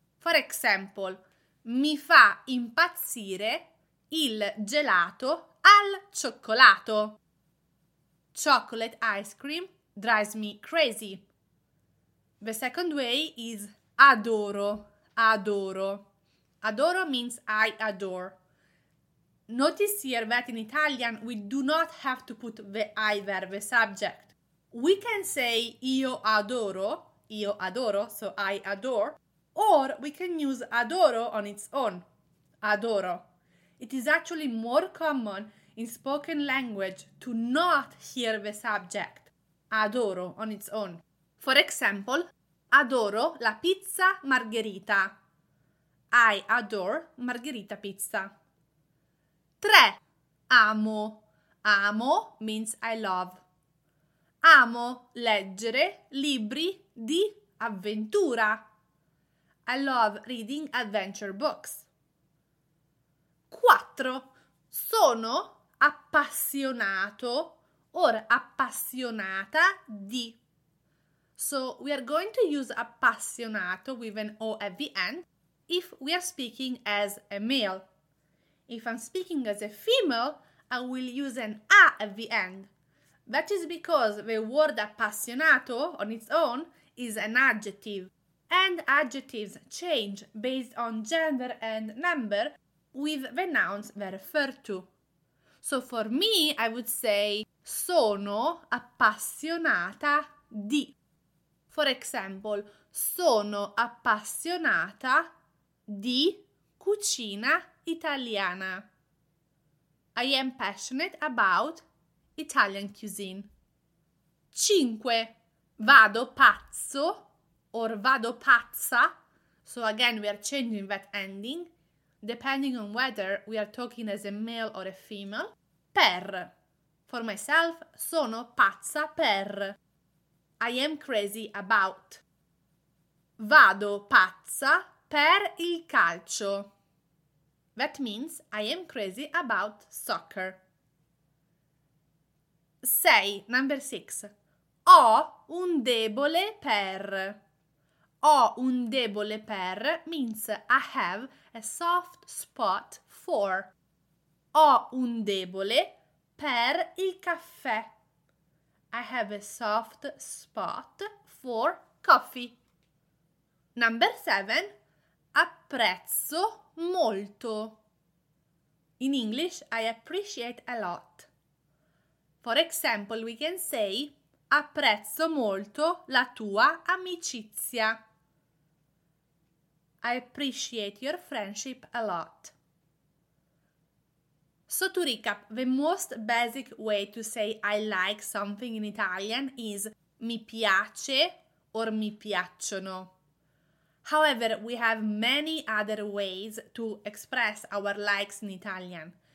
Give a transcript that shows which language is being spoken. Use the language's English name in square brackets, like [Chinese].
[English] For example, [Italian] mi fa impazzire il gelato al cioccolato. [English] Chocolate ice cream drives me crazy. The second way is [Italian] adoro, adoro. [English] Adoro means I adore. Notice here that in Italian we do not have to put the I there, the subject. We can say [Italian] io adoro, [English] so I adore, or we can use adoro on its own, adoro. It is actually more common in spoken language to not hear the subject, adoro, on its own. For example, [Italian] adoro la pizza margherita. [English] I adore margherita pizza. 3. Amo. Amo means I love. [Italian] Amo leggere libri di avventura. [English] I love reading adventure books. 4. [Italian] Sono appassionato or appassionata di. [English] So we are going to use appassionato with an O at the end if we are speaking as a male. If I'm speaking as a female, I will use an A at the end. That is because the word appassionato on its own is an adjective, and adjectives change based on gender and number with the nouns they refer to. So for me, I would say [Italian] sono appassionata di. For example, sono appassionata di cucina italiana. [English] I am passionate about Italian cuisine. 5. [Italian] Vado pazzo or vado pazza. [English] So again, we are changing that ending depending on whether we are talking as a male or a female. [Italian] Per. [English] For myself, [Italian] sono pazza per. [English] I am crazy about. [Italian] Vado pazza per il calcio. [English] That means I am crazy about soccer. [Italian] 6. [English] Number 6. [Italian] Ho un debole per. [English] Ho un debole per means I have a soft spot for. [Italian] Ho un debole per il caffè. [English] I have a soft spot for coffee. Number 7. [Italian] Apprezzo molto. [English] In English, I appreciate a lot. For example, we can say [Italian] apprezzo molto la tua amicizia. [English] I appreciate your friendship a lot. So to recap, the most basic way to say I like something in Italian is [Italian] mi piace [English] or [Italian] mi piacciono. [English] However, we have many other ways to express our likes in Italian.